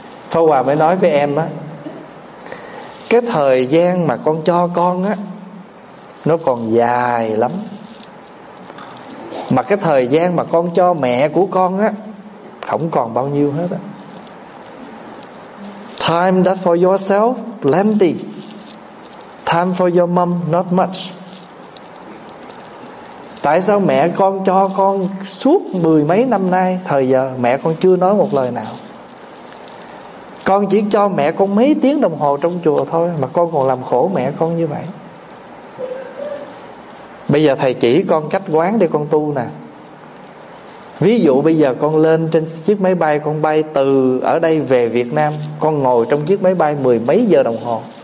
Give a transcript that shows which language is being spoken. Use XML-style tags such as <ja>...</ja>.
<vi>Pháp Hòa mới nói với em á, cái thời gian mà con cho con á, nó còn dài lắm. Mà cái thời gian mà con cho mẹ của con á, không còn bao nhiêu hết á.</vi> <en>Time that for yourself, plenty. Time for your mom, not much.</en> <vi>Tại sao mẹ con cho con suốt mười mấy năm nay, thời giờ mẹ con chưa nói một lời nào. Con chỉ cho mẹ con mấy tiếng đồng hồ trong chùa thôi, mà con còn làm khổ mẹ con như vậy. Bây giờ thầy chỉ con cách quán để con tu nè. Ví dụ bây giờ con lên trên chiếc máy bay, con bay từ ở đây về Việt Nam, con ngồi trong chiếc máy bay mười mấy giờ đồng hồ.</vi>